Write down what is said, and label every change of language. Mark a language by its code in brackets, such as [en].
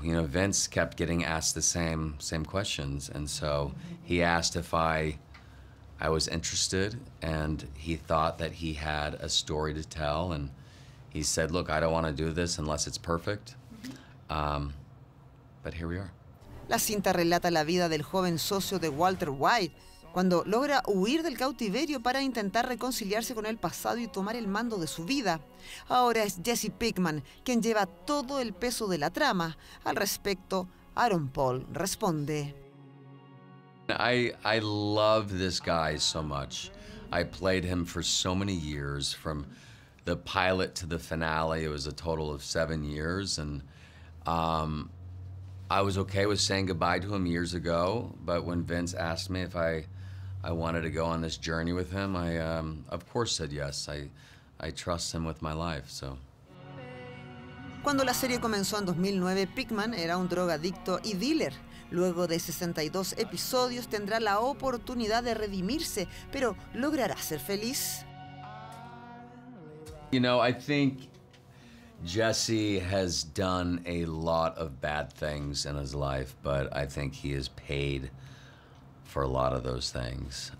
[en] You know, Vince kept getting asked the same questions. And so he asked if I was interested, and he thought that he had a story to tell. And he said, look, I don't want to do this unless it's perfect. But here we are. [es] La cinta relata la vida del joven socio de Walter White, cuando logra huir del cautiverio para intentar reconciliarse con el pasado y tomar el mando de su vida. Ahora es Jesse Pinkman quien lleva todo el peso de la trama. Al respecto, Aaron Paul responde. [en] I love this guy so much. I played him for so many years, from the pilot to the finale. It was a total of 7 years, and I was okay with saying goodbye to him years ago, but when Vince asked me if I wanted to go on this journey with him, I of course said yes. I trust him with my life, so. [es] Cuando la serie comenzó en 2009, Pinkman era un drogadicto y dealer. Luego de 62 episodios tendrá la oportunidad de redimirse, pero ¿logrará ser feliz? [en] You know, I think Jesse has done a lot of bad things in his life, but I think he has paid for a lot of those things.